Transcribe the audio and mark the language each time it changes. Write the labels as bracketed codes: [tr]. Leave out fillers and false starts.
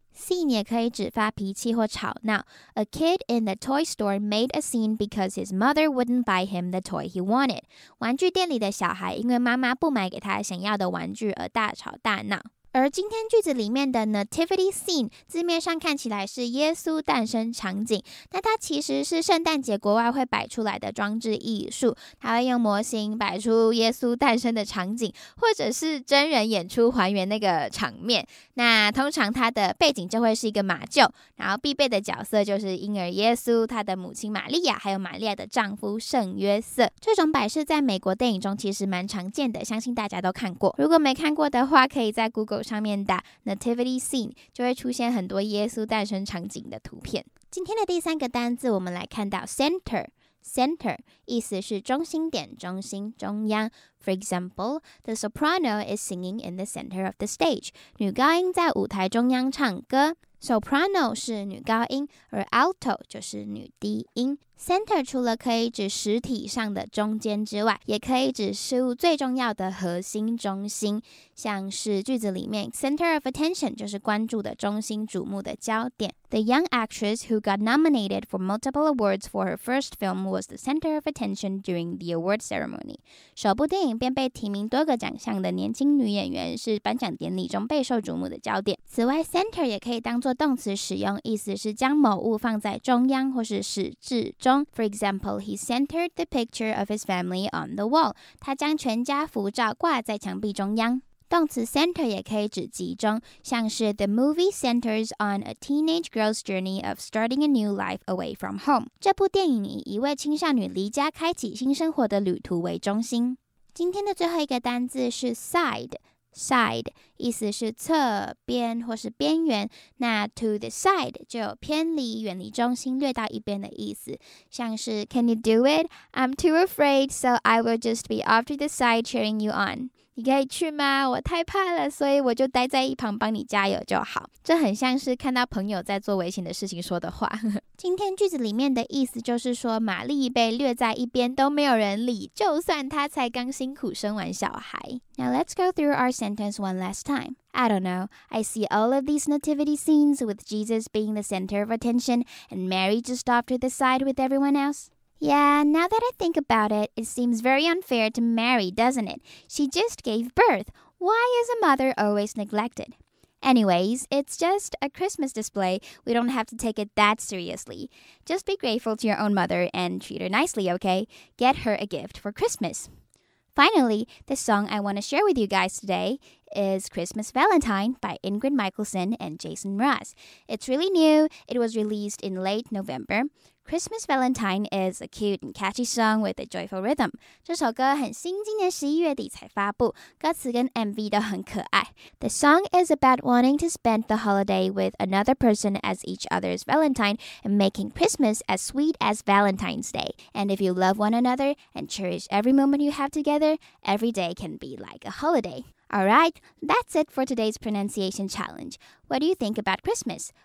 [zh] Scene 也可以指发脾气或吵闹。 [en] A kid in the toy store made a scene because his mother wouldn't buy him the toy he wanted. [zh] 玩具店里的小孩因为妈妈不买给他想要的玩具而大吵大闹。而今天句子里面的 Nativity Scene 字面上看起来是耶稣诞生场景，那它其实是圣诞节国外会摆出来的装置艺术，它会用模型摆出耶稣诞生的场景，或者是真人演出还原那个场面。那通常它的背景就会是一个马厩，然后必备的角色就是婴儿耶稣、他的母亲玛利亚，还有玛利亚的丈夫圣约瑟。这种摆设在美国电影中其实蛮常见的，相信大家都看过。如果没看过的话，可以在 Google上面打 Nativity Scene 就会出现很多耶稣诞生场景的图片。今天的第三个单字，我们来看到 Center 意思是中心点、中心、中央。 [en] For example, the soprano is singing in the center of the stage. [zh] 女高音在舞台中央唱歌。 Soprano 是女高音，而 alto 就是女低音。 Center 除了可以指实体上的中间之外，也可以指事物最重要的核心、中心。像是句子里面 center of attention 就是关注的中心、瞩目的焦点。 [en] The young actress who got nominated for multiple awards for her first film was the center of attention during the award ceremony. [zh] 首部电影便被提名多个奖项的年轻女演员是颁奖典礼中备受瞩目的焦点。此外 ，center 也可以当作动词使用，意思是将某物放在中央或是始至终。 [en] For example, he centered the picture of his family on the wall. [zh] 他将全家福照挂在墙壁中央。动词 [en] center [zh] 也可以指集中，像是 [en] The movie centers on a teenage girl's journey of starting a new life away from home. [zh] 这部电影以一位青少女离家开启新生活的旅途为中心。今天的最后一个单字是 side。Side 意思是侧边或是边缘，那 to the side 就有偏离、远离中心、略到一边的意思。 [en] 像是 Can you do it? I'm too afraid, so I will just be off to the side cheering you on. [zh] 你可以去吗？我太怕了，所以我就待在一旁帮你加油就好。这很像是看到朋友在做危险的事情说的话。今天句子里面的意思就是说，玛丽被略在一边都没有人理，就算她才刚辛苦生完小孩。 [en] Now let's go through our sentence one last time. I don't know. I see all of these nativity scenes with Jesus being the center of attention and Mary just off to the side with everyone else. Yeah, now that I think about it, it seems very unfair to Mary, doesn't it? She just gave birth. Why is a mother always neglected? Anyways, it's just a Christmas display. We don't have to take it that seriously. Just be grateful to your own mother and treat her nicely, okay? Get her a gift for Christmas. Finally, the song I want to share with you guys today is Christmas Valentine by Ingrid Michaelson and Jason Mraz. It's really new. It was released in late November. Christmas Valentine is a cute and catchy song with a joyful rhythm. [zh] 这首歌很新，今年11月底才发布，歌词跟 MV 都很可爱。 [en] The song is about wanting to spend the holiday with another person as each other's Valentine and making Christmas as sweet as Valentine's Day. And if you love one another and cherish every moment you have together, every day can be like a holiday. Alright, that's it for today's pronunciation challenge. What do you think about Christmas?